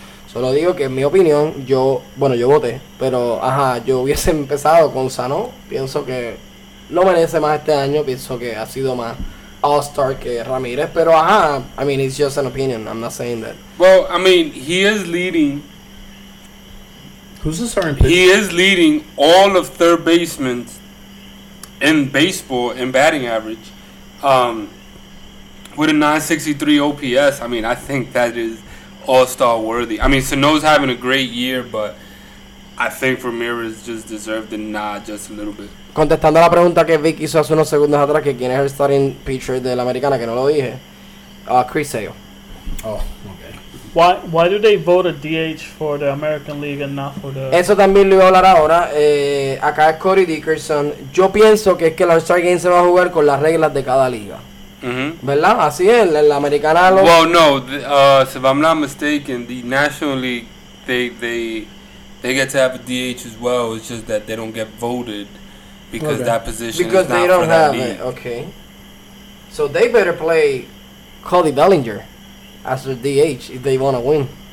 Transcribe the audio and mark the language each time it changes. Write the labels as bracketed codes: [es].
[es] Solo digo que en mi opinión, yo voté, pero ajá, yo hubiese empezado con Sano. Pienso que lo merece más este año. Pienso que ha sido más All-Star que Ramirez. Pero ajá, [en] I mean, it's just an opinion. I'm not saying that. Well, I mean, he is leading. Who's the starting pitcher? He is leading all of third basemen in baseball in batting average with a 963 OPS. I mean, I think that is all-star worthy. I mean, Sano's having a great year, but I think Ramirez just deserved the nod just a little bit. [es] Contestando la pregunta que Vic hizo hace unos segundos atrás, que quién es el starting pitcher de la Americana, que no lo dije, Chris Sale. Oh, [en] Why do they vote a DH for the American League and not for the... [es] Eso también lo voy a hablar ahora. Acá es Corey Dickerson. Yo pienso que es que el All-Star Game se va a jugar con las reglas de cada liga. Mm-hmm. ¿Verdad? Así es. La Americana... [en] Well, no. If I'm not mistaken, the National League, they get to have a DH as well. It's just that they don't get voted because that position because is not for that league. they don't have it. Okay. So they better play Cody Bellinger as a DH if they want to win.